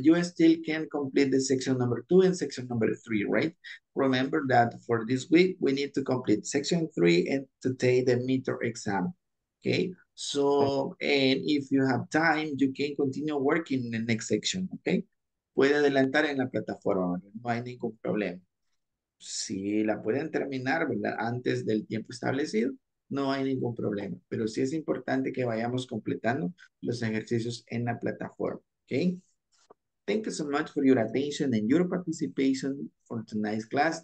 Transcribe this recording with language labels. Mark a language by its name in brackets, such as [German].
[English] You still can complete the section number two and section number three, right? Remember that for this week, we need to complete section three and to take the meter exam, okay? So, and if you have time, you can continue working in the next section, okay? [Spanish] Puede adelantar en la plataforma, no hay ningún problema. Si la pueden terminar, ¿verdad? Antes del tiempo establecido, no hay ningún problema. Pero sí es importante que vayamos completando los ejercicios en la plataforma, okay? [English] Thank you so much for your attention and your participation for tonight's class.